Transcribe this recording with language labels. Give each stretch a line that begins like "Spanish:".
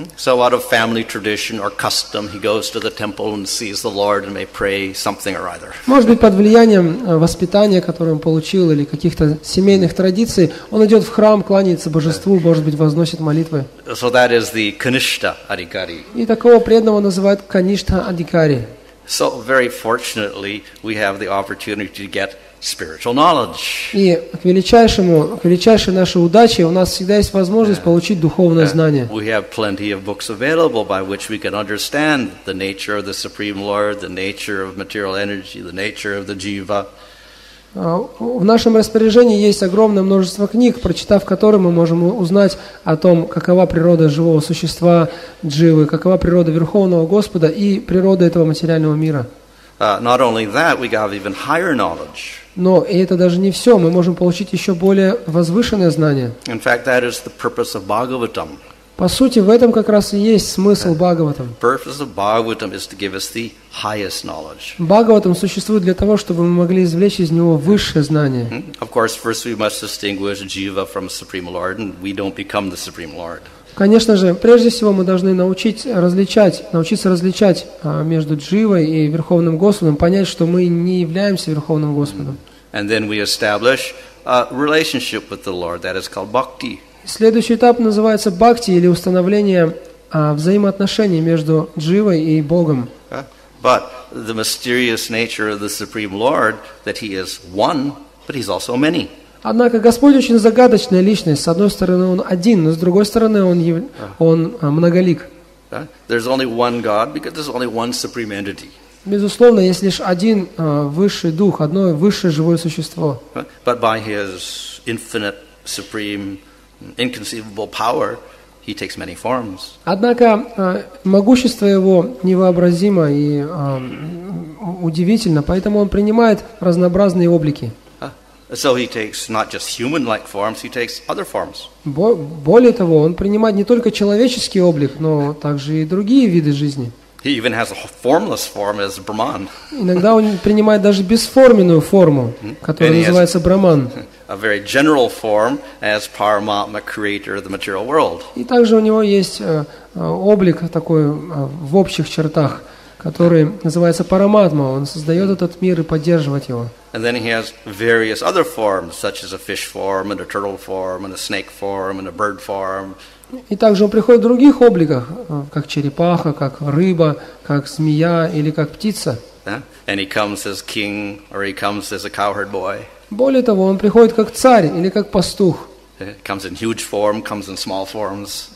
English: So out of family tradition or custom, he goes to the temple and sees the Lord and may pray something or either.
Russian: Может быть, под влиянием воспитания, которое он получил, или каких-то семейных традиций, он идет в храм, кланяется божеству, может быть, возносит молитвы.
English: So that is the Kanishta Adhikari.
Russian: И такого преданного называют Kanishta Adhikari.
English: So very fortunately, we have the opportunity to get spiritual knowledge.
Russian: И к величайшей нашей удаче, у нас всегда есть возможность получить духовное знание.
English: We have plenty of books available by which we can understand the nature of the Supreme Lord, the nature of material energy, the nature of the jiva.
Russian: В нашем распоряжении есть огромное множество книг, прочитав которые, мы можем узнать о том, какова природа живого существа дживы, какова природа Верховного Господа и природа этого материального мира.
English: Not only that, we have even higher knowledge.
Russian: Но и это даже не все, мы можем получить еще более возвышенное знание.
English: In fact, that is the purpose of Bhagavatam.
Russian: По сути, в этом как раз и есть смысл Бхагаватам.
English: Purpose of Bhagavatam is to give us the highest knowledge.
Russian: Бхагаватам существует для того, чтобы мы могли извлечь из него высшее знание.
English: Of course, first we must distinguish jiva from Supreme Lord, and we don't become the Supreme Lord.
Russian: Конечно же, прежде всего мы должны научиться различать между дживой и Верховным Господом, понять, что мы не являемся Верховным Господом.
English: And then we establish a relationship with the Lord that is called bhakti.
Russian: Следующий этап называется бхакти или установление взаимоотношений между дживой и Богом.
English: But the mysterious nature of the Supreme Lord that he is one, but he's also many.
Russian: Однако Господь очень загадочная личность. С одной стороны, он один, но с другой стороны, он многолик.
English: There's only one God because there's only one supreme entity.
Russian: Безусловно, есть лишь один высший дух, одно высшее живое существо.
English: But by his infinite supreme inconceivable power, he takes many forms.
Russian: Однако могущество его невообразимо и удивительно, поэтому он принимает разнообразные облики.
English: So he takes not just human-like forms, he takes other forms.
Russian: Более того, он принимает не только человеческий облик, но также и другие виды жизни.
English: He even has a formless form as Brahman.
Russian: Иногда он принимает даже бесформенную форму, которая называется Браман.
English: A very general form as Paramatma, creator of the material world.
Russian: И также у него есть облик такой в общих чертах, который называется Параматма. Он создает этот мир и поддерживает его.
English: And then he has various other forms, such as a fish form, and a turtle form, and a snake form, and a bird form.
Russian: И также он приходит в других обликах, как черепаха, как рыба, как змея или как птица.
English: And he comes as king, or he comes as a cowherd boy.
Russian: Более того, он приходит как царь или как пастух.
English: Comes in huge form, comes in small forms.